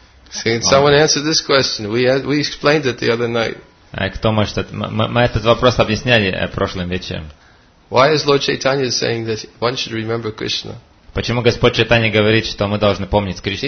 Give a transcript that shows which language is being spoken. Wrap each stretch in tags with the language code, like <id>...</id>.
<en>Huh? See, someone answered this question. We explained it the other night.</en> <ru>Кто может мы этот вопрос объясняли прошлым вечером?</ru> <en>Why is Lord Chaitanya saying that one should remember Krishna?</en> <ru>Почему Господь Чайтанья говорит, что мы должны помнить Кришну?</ru>